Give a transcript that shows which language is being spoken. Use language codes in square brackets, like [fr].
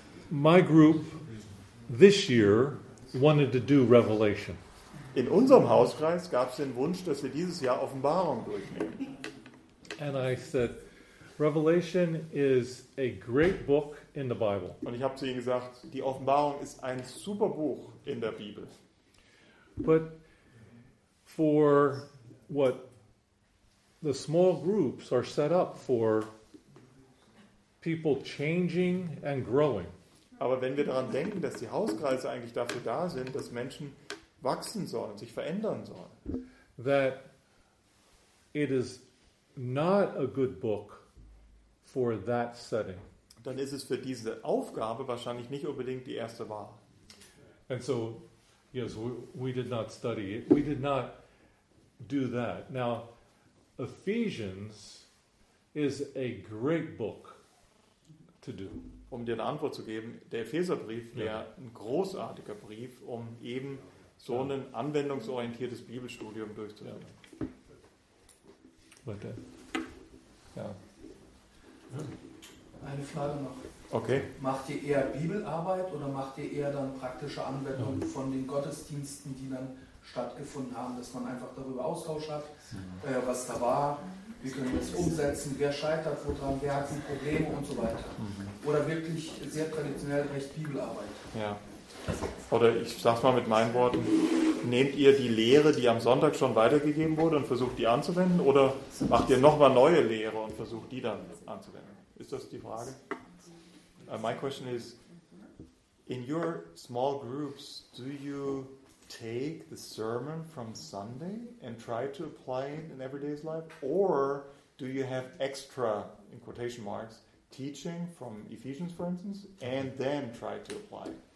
[en] my group this year wanted to do Revelation. [de] In unserem Hauskreis gab es den Wunsch, dass wir dieses Jahr Offenbarung durchnehmen. [en] And I said, Revelation is a great book in the Bible. [de] Und ich habe zu ihnen gesagt, die Offenbarung ist ein super Buch in der Bibel. [en] But for what the small groups are set up for, people changing and growing. [de] Aber wenn wir daran denken, dass die Hauskreise eigentlich dafür da sind, dass Menschen wachsen sollen, sich verändern sollen. [en] That it is not a good book for that setting. [de] Dann ist es für diese Aufgabe wahrscheinlich nicht unbedingt die erste Wahl. [en] And so, yes, we did not study it. We did not do that. Now, Ephesians is a great book to do. [de] Um dir eine Antwort zu geben, der Epheserbrief wäre ein großartiger Brief, um eben so ein anwendungsorientiertes Bibelstudium durchzuführen. Ja. Bitte. Ja. Eine Frage noch. Okay. Macht ihr eher Bibelarbeit oder macht ihr eher dann praktische Anwendungen von den Gottesdiensten, die dann stattgefunden haben, dass man einfach darüber Austausch hat, was da war, wie können wir das umsetzen, wer scheitert woran, wer hat die Probleme und so weiter. Mhm. Oder wirklich sehr traditionell recht Bibelarbeit. Ja. Oder ich sag's mal mit meinen Worten, nehmt ihr die Lehre, die am Sonntag schon weitergegeben wurde und versucht die anzuwenden oder macht ihr nochmal neue Lehre und versucht die dann anzuwenden? Ist das die Frage? [en] My question is, in your small groups, do you take the sermon from Sunday and try to apply it in everyday's life? Or do you have extra, in quotation marks, teaching from Ephesians, for instance, and then try to apply it?